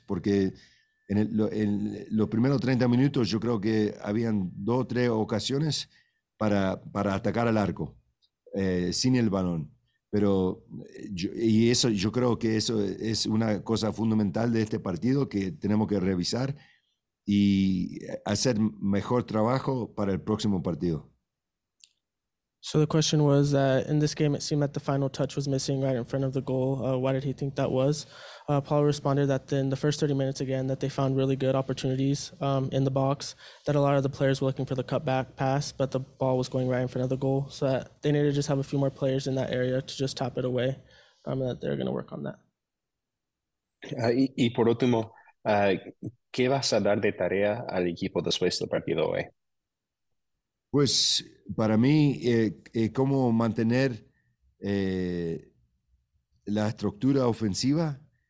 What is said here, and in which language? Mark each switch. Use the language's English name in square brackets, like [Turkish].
[Spanish] Porque en los primeros 30 minutos yo creo que habían dos o tres ocasiones para atacar al arco sin el balón. Pero yo creo que eso es una cosa fundamental de este partido que tenemos que revisar y hacer mejor trabajo para el próximo partido. [English] So the question was that in this game it seemed that the final touch was missing right in front of the goal. Why did he think that was? Paul responded that in the first 30 minutes again that they found really good opportunities in the box, that a lot of the players were looking for the cutback pass, but the ball was going right in front of the goal, so that they needed to just have a few more players in that area to just tap it away, and that they're going to work on that. [Spanish] Y por último, ¿qué vas a dar de tarea al equipo después del partido hoy? Pues para mí, cómo mantener la estructura ofensiva,